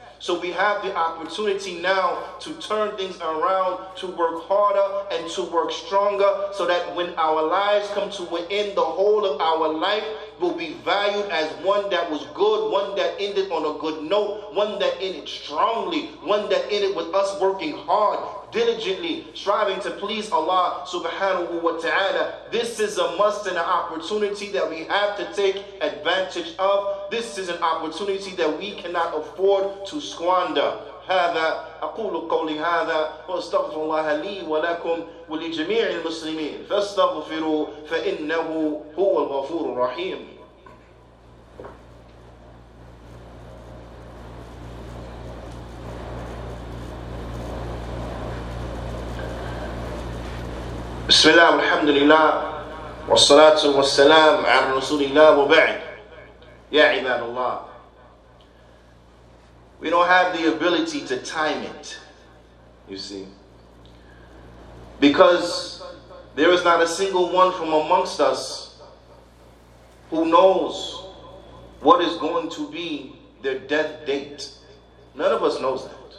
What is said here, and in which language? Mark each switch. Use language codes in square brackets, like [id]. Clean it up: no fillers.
[en] So we have the opportunity now to turn things around, to work harder and to work stronger, so that when our lives come to an end, the whole of our life will be valued as one that was good, one that ended on a good note, one that ended strongly, one that ended with us working hard, diligently, striving to please Allah subhanahu wa ta'ala. This is a must and an opportunity that we have to take advantage of. This is an opportunity that we cannot afford to squander. [ar] هذا أقول قولي هذا وأستغفر الله لي ولكم ولجميع المسلمين فاستغفروا فإنه هو الغفور الرحيم. بسم الله والحمد لله والصلاة والسلام على رسول الله وبعد يا عباد الله. [en] We don't have the ability to time it, you see. Because there is not a single one from amongst us who knows what is going to be their death date. None of us knows that.